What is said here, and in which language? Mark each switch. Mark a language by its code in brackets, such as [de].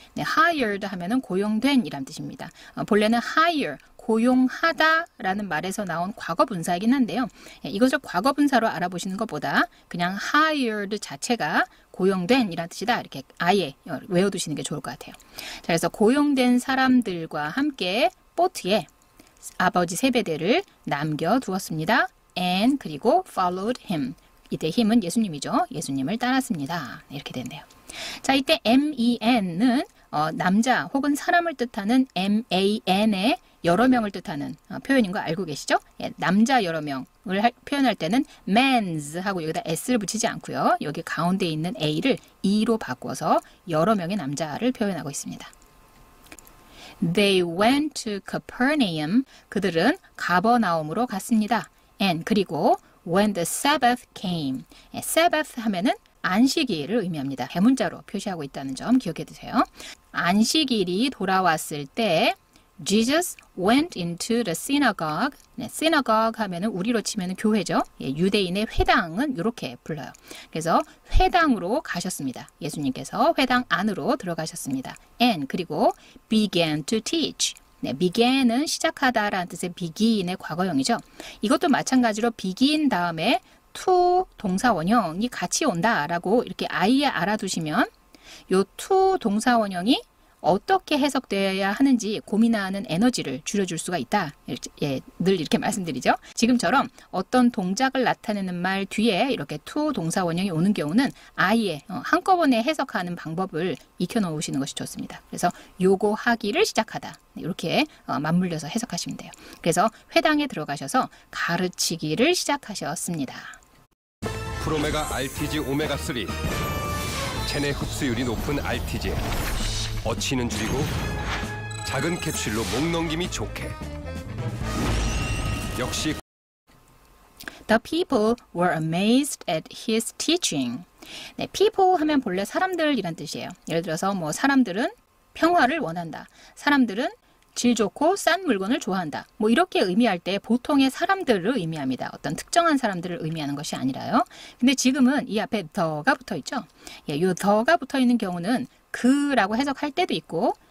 [ko] 네, hired 하면은 고용된 이란 뜻입니다. 본래는 hire, 고용하다 라는 말에서 나온 과거분사이긴 한데요. 이것을 과거분사로 알아보시는 것보다 그냥 hired 자체가 고용된 이란 뜻이다. 이렇게 아예 외워두시는 게 좋을 것 같아요. 자, 그래서 고용된 사람들과 함께 보트에 아버지 세베대를 남겨두었습니다. And 그리고 [en] followed him. [ko] 이때 him은 예수님이죠. 예수님을 따랐습니다. 이렇게 된대요. 자, 이때 men은 남자 혹은 사람을 뜻하는 man의 여러 명을 뜻하는 표현인 거 알고 계시죠? 예, 남자 여러 명을 표현할 때는 men's 하고 여기다 s를 붙이지 않고요. 여기 가운데 있는 a를 e로 바꿔서 여러 명의 남자를 표현하고 있습니다. [en] They went to Capernaum. [ko] 그들은 가버나움으로 갔습니다. And 그리고 [en] when the Sabbath came, [ko] Sabbath 하면은 안식일을 의미합니다. 대문자로 표시하고 있다는 점 기억해 두세요. 안식일이 돌아왔을 때 [en] Jesus went into the synagogue. [ko] 네, synagogue 하면은 우리로 치면은 교회죠. 예, 유대인의 회당은 이렇게 불러요. 그래서 회당으로 가셨습니다. 예수님께서 회당 안으로 들어가셨습니다. And 그리고 [en] began to teach. [ko] 네, began은 시작하다 라는 뜻의 begin의 과거형이죠. 이것도 마찬가지로 begin 다음에 to 동사원형이 같이 온다 라고 이렇게 아예 알아두시면 요 to 동사원형이 어떻게 해석되어야 하는지 고민하는 에너지를 줄여줄 수가 있다. 예, 늘 이렇게 말씀드리죠. 지금처럼 어떤 동작을 나타내는 말 뒤에 이렇게 to 동사원형이 오는 경우는 아예 한꺼번에 해석하는 방법을 익혀놓으시는 것이 좋습니다. 그래서 요거 하기를 시작하다. 이렇게 맞물려서 해석하시면 돼요. 그래서 회당에 들어가셔서 가르치기를 시작하셨습니다. 프로메가 RTG 오메가3 체내 흡수율이 높은 RTG 어치는 줄이고 작은 캡슐로 목 넘김이 좋게 역시 [en] The people were amazed at his teaching. [ko] 네, people 하면 본래 사람들이란 뜻이에요. 예를 들어서 뭐 사람들은 평화를 원한다. 사람들은 질 좋고 싼 물건을 좋아한다. 뭐 이렇게 의미할 때 보통의 사람들을 의미합니다. 어떤 특정한 사람들을 의미하는 것이 아니라요. 근데 지금은 이 앞에 the가 붙어 있죠. 예, 요 the가 붙어 있는 경우는 그 라고 해석할 때도 있고